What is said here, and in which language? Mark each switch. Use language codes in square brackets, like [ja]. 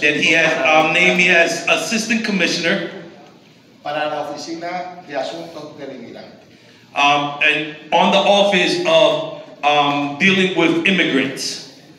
[en] That he has named me as assistant commissioner [es] para la oficina de asuntos del inmigrante. [en] And on the office of dealing with immigrants.